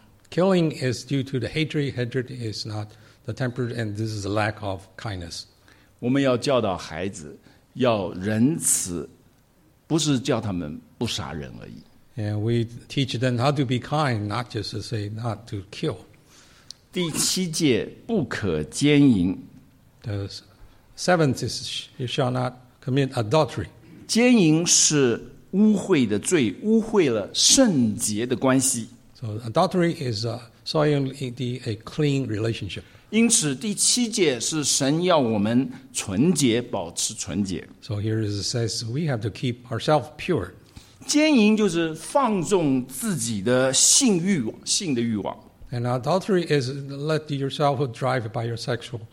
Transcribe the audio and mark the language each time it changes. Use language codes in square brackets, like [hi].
[en] Killing is due to the hatred. Hatred is not the temper, and this is a lack of kindness. [zh] 我们要教导孩子要仁慈，不是叫他们不杀人而已。 [en] And we teach them how to be kind, not just to say not to kill. [zh] 第七戒不可奸淫。 [en] The seventh is you shall not commit adultery. [zh] 奸淫是污秽的罪，污秽了圣洁的关系。 [en] So adultery is soiling a clean relationship. [zh] 因此，第七节是神要我们纯洁，保持纯洁。 [en] So here it says we have to keep ourselves pure. [zh] 奸淫就是放纵自己的性欲望，性的欲望。 [en] And adultery is let yourself drive by your sexual.